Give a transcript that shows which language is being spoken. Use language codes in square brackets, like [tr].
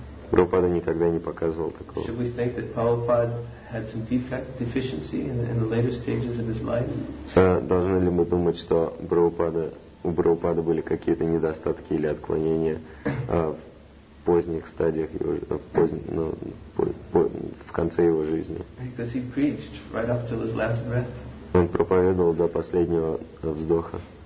[ru] Прабхупада никогда не показывал такого. [en] Should we think that Prabhupada had some deficiency in the later stages of his life? [ru] Должны ли мы думать, что у Прабхупады были какие-то недостатки или отклонения в поздних стадиях его, в конце его жизни? [en] Because he preached right up till his last breath. [ru] Он проповедовал до последнего вздоха.